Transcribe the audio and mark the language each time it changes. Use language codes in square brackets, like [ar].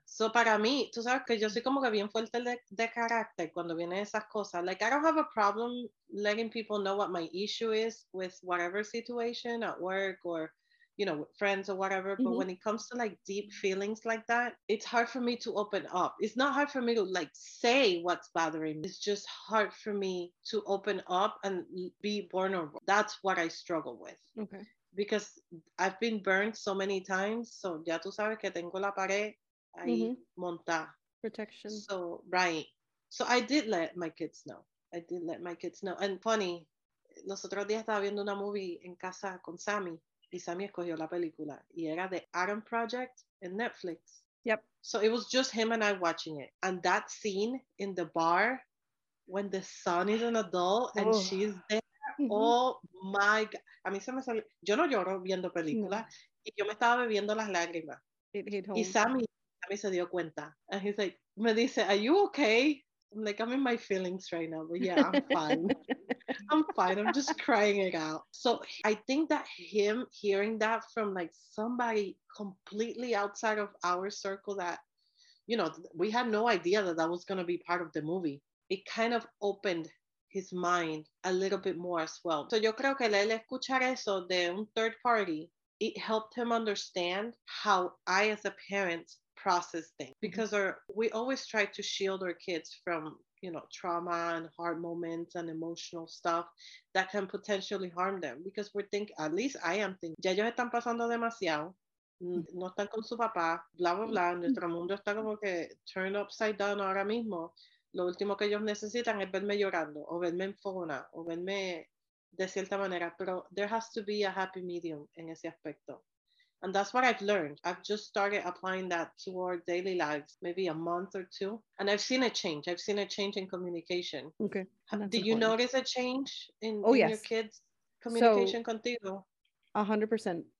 [es] So para mí, tú sabes que yo soy como que bien fuerte de carácter cuando vienen esas cosas. [en] Like, I don't have a problem letting people know what my issue is with whatever situation at work or, you know, friends or whatever. Mm-hmm. But when it comes to like deep feelings like that, it's hard for me to open up. It's not hard for me to like say what's bothering me. It's just hard for me to open up and be vulnerable. That's what I struggle with. Okay. Because I've been burned so many times. [es] So ya tú sabes que tengo la pared. Ahí mm-hmm. monta. [en] Protection. So, right. So I did let my kids know. And funny, los otros días estaba viendo una movie en casa con Sammy. [es] Y Sammy escogió la película. Y era The Adam Project en Netflix. [en] Yep. So it was just him and I watching it. And that scene in the bar, when the son is an adult and oh. she's there. Mm-hmm. Oh, my God. A mí se me sale. [es] Yo no lloro viendo película. No. Y yo me estaba bebiendo las lágrimas. [en] It hit [es] home. Y Sammy se dio cuenta. [en] And he's like, me dice, are you okay? I'm like, I'm in my feelings right now. But yeah, I'm fine. I'm fine. I'm just crying it out. So I think that him hearing that from like somebody completely outside of our circle that, you know, we had no idea that that was going to be part of the movie. It kind of opened his mind a little bit more as well. So yo creo que el escuchar eso de un third party, it helped him understand how I as a parent process things. Because we always try to shield our kids from, you know, trauma and hard moments and emotional stuff that can potentially harm them. [es] Because we think, at least I am thinking, ya ellos están pasando demasiado, no están con su papá, bla, bla, bla, nuestro mundo está como que turned upside down ahora mismo. Lo último que ellos necesitan es verme llorando, o verme enfona, o verme de cierta manera. [en] Pero there has to be a happy medium en ese aspecto. And that's what I've learned. I've just started applying that to our daily lives, maybe a month or two. And I've seen a change. I've seen a change in communication. Okay. Did you notice a change in yes. your kids' communication contigo? 100%.